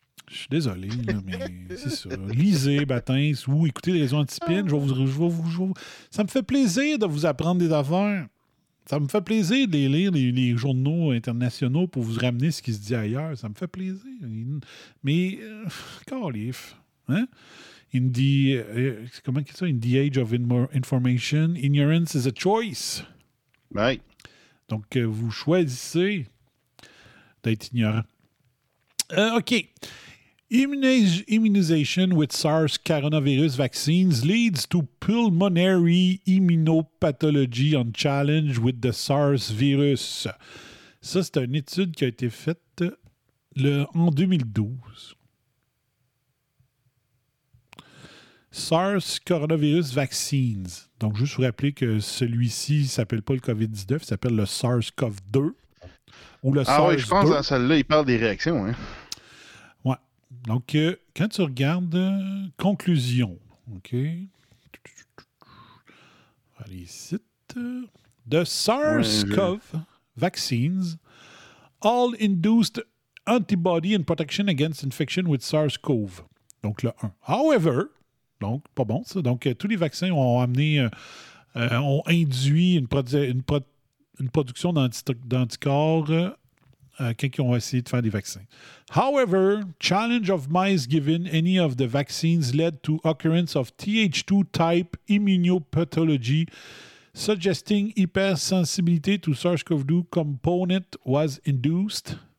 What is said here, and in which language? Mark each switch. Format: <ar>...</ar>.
<fr>Je suis désolé, là, mais c'est ça. Lisez Batins ou écoutez les Réseaux Antispin. Ça me fait plaisir de vous apprendre des affaires. Ça me fait plaisir de lire les journaux internationaux pour vous ramener ce qui se dit ailleurs. Ça me fait plaisir. Mais, calif, hein?</fr> <en>In the age of information, ignorance is a choice. Right.</en> <fr>Donc, vous choisissez d'être ignorant. OK.</fr> <en>Immunization with SARS coronavirus vaccines leads to pulmonary immunopathology on challenge with the SARS virus.</en> <fr>Ça, c'est une étude qui a été faite en 2012.</fr> <en>SARS coronavirus vaccines.</en> <fr>Donc, juste vous rappeler que celui-ci ne s'appelle pas le COVID-19, il s'appelle le SARS-CoV-2. Ou le SARS-2. Ah oui, je pense que dans celle-là, il parle des réactions. Hein? Ouais. Donc, quand tu regardes, conclusion. OK. Allez, cite.</fr> <en>The SARS-CoV vaccines, all induced antibody and protection against infection with SARS-CoV.</en> <fr>Donc, le 1.</fr> <en>However,</en> <fr>donc, pas bon ça. Donc, tous les vaccins ont amené, ont induit une production d'anticorps quand ils ont essayé de faire des vaccins.</fr> <en>However, challenge of mice given any of the vaccines led to occurrence of Th2 type immunopathology, suggesting hypersensibility to SARS-CoV-2 component was induced.</en>